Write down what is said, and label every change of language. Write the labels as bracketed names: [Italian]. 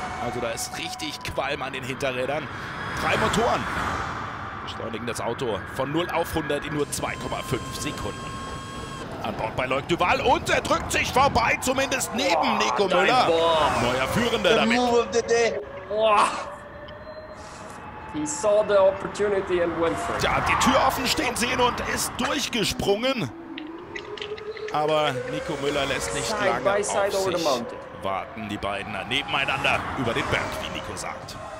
[German] Also da ist richtig Qualm an den Hinterrädern. 3 Motoren beschleunigen das Auto von 0 auf 100 in nur 2,5 Sekunden. An Bord bei Loic Duval und er drückt sich vorbei, zumindest neben Nico Müller. Neuer Führender damit. [English] Move of the day. He saw the opportunity and went for it. [German] Der hat die Tür offen stehen sehen und ist durchgesprungen. Aber Nico Müller lässt nicht lange auf sich warten. Die beiden nebeneinander über den Berg, wie Nico sagt.